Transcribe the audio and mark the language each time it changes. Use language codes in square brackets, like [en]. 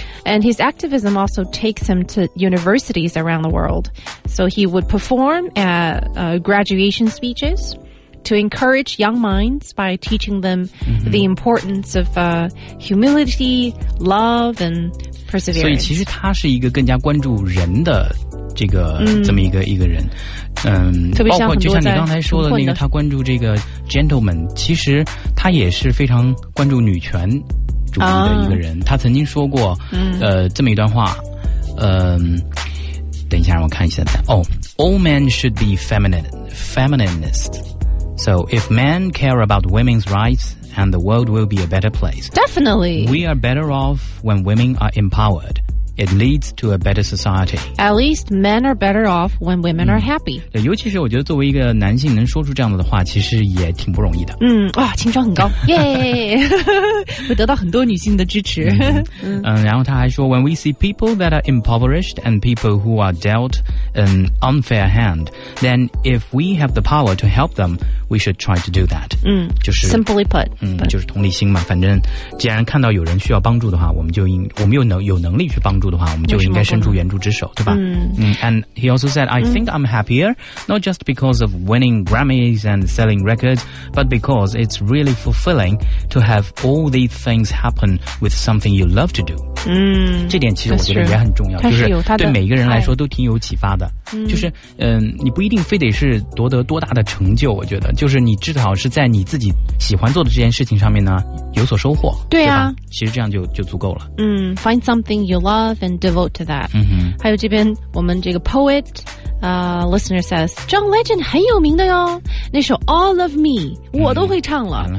[en] And his activism also takes him to universities around the world. So he would perform at graduation speeches to encourage young minds by teaching them the importance of humility, love, and perseverance. [zh] 所以其实他是一个更加关注人的这个这么一个人，包括就像你刚才说的那个，他关注这个 gentleman， 其实他也是非常关注女权主义的一个人。他曾经说过，这么一段话，等一下让我看一下。 [en] All men should be feminist. So if men care about women's rights, and the world will be a better place. Definitely, we are better off when women are empowered. It leads to a better society. At least men are better off when women are happy. [zh] 对，尤其是我觉得作为一个男性能说出这样的话，其实也挺不容易的。情商很高，耶！会得到很多女性的支持。然后他还说 [en] ，When we see people that are impoverished and people who are dealt an unfair hand, then if we have the power to help them, we should try to do that. [zh] 就是 [en] simply put， [zh] 就是同理心嘛。反正既然看到有人需要帮助的话，我们有能力去帮助。的话我们就应该伸出援助之手，对吧？ [en] And he also said, I think I'm happier, not just because of winning Grammys and selling records, but because it's really fulfilling to have all these things happen with something you love to do. [zh] 这点其实我觉得也很重要，就是对每个人来说都挺有启发的。就是你不一定非得是夺得多大的成就，我觉得就是你至少是在你自己喜欢做的这件事情上面呢有所收获。对啊，对，其实这样就足够了。 [en] Find something you loveAnd devote to that. [zh] 还有这边我们这个 poet listener says John Legend 很有名的哟，那首 All of Me 我都会唱了。